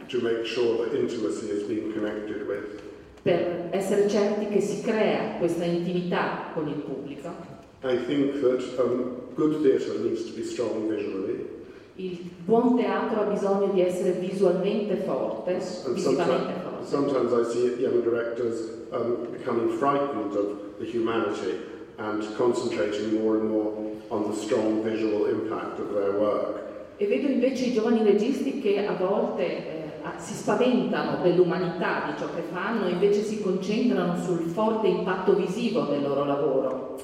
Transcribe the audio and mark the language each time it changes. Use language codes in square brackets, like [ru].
[en] To make sure that intimacy is being connected with. [it] Per essere certi che si crea questa intimità con il pubblico. [en] I think that good theatre needs to be strong visually. [it] Il buon teatro ha bisogno di essere visualmente forte, visivamente forte. [en] Sometimes I see young directors becoming frightened of the humanity and concentrating more and more on the strong visual impact of their work. [it] E vedo invece i giovani registi che a volte si spaventano dell'umanità di ciò che fanno, invece si concentrano sul forte impatto visivo del loro lavoro.